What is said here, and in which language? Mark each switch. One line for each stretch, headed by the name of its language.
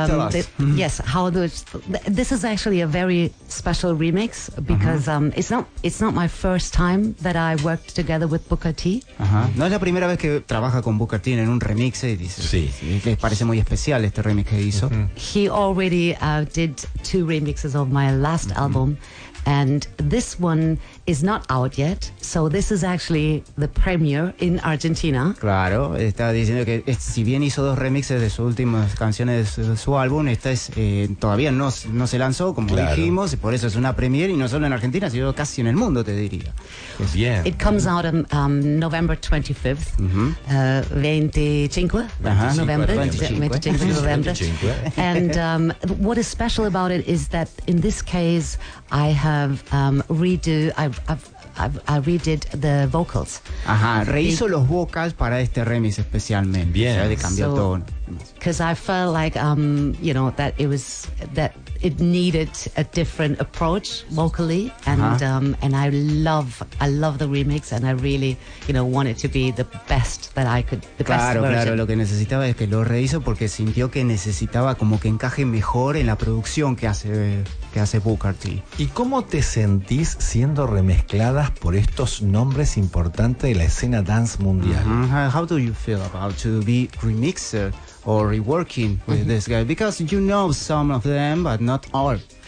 English: This is actually a very special remix because it's not my first time that I worked together with Booker T.
Spanish: No es la primera vez que trabaja con Booker T en un remix, dice. Sí, que parece muy especial este remix que hizo.
English: He already did two remixes of my last album, and this one is not out yet, so this is actually the premiere in Argentina.
Spanish: Claro, está diciendo que si bien hizo dos remixes de sus últimas canciones de su álbum, esta es todavía no se lanzó, como claro. Dijimos, y por eso es una premiere, y no solo en Argentina, sino casi en el mundo, te diría. Pues bien.
English: It comes out on November 25th. 25 November. 25 November. And what is special about it is that in this case, I redid the vocals.
Spanish: Ajá, rehizo los vocals para este remix especialmente. Bien, o sea, de cambio todo.
English: Because I felt like, you know, that it was that it needed a different approach vocally, and I love the remix, and I really, you know, want it to be the best that I could. The
Spanish: claro,
English: best version.
Spanish: Claro. Lo que necesitaba es que lo rehizo porque sintió que necesitaba como que encaje mejor en la producción que hace Booker T. ¿Y cómo te sentís siendo remezcladas por estos nombres importantes de la escena dance mundial?
English: How do you feel about to be remixed or reworking with this guy? Because you know some of them, but not all.